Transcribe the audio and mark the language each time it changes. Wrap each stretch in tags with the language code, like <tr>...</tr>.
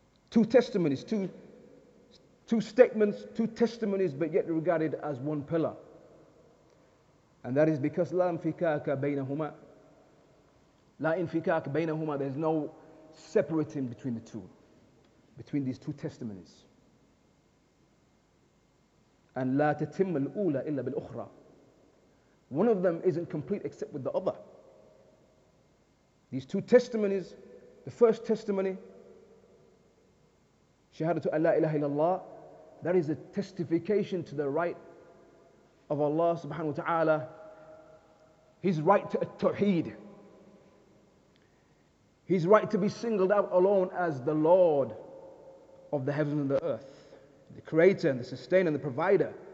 <en>Two testimonies, two statements, two testimonies, but yet regarded as one pillar. And that is because</en> <ar>لا انفكاك بينهما. لا انفكاك بينهما.</ar> <en>There's no separating between the two, between these two testimonies.</en> <ar>And لا تتم الأولى إلا بالأخرى.</ar> <en>One of them isn't complete except with the other. These two testimonies, the first testimony, Shahadatu an la ilaha illallah, that is a testification to the right of Allah subhanahu wa ta'ala, his right to at-tawheed, his right to be singled out alone as the Lord of the heavens and the earth, the creator and the sustainer and the provider.</en>